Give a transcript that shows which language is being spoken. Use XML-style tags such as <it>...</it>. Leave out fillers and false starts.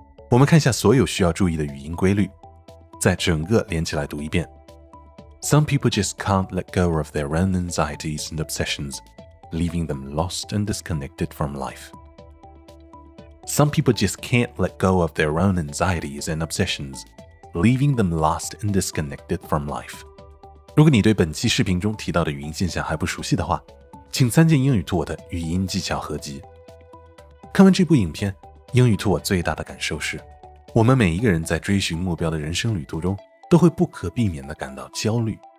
<zh>我们看一下所有需要注意的语音规律，再整个连起来读一遍。</zh> <en>Some people just can't let go of their own anxieties and obsessions, leaving them lost and disconnected from life. Some people just can't let go of their own anxieties and obsessions, leaving them lost and disconnected from life.</en> <zh>如果你对本期视频中提到的语音现象还不熟悉的话，请参见英语兔我的语音技巧合集。看完这部影片，英语兔我最大的感受是，我们每一个人在追寻目标的人生旅途中都会不可避免地感到焦虑。</zh>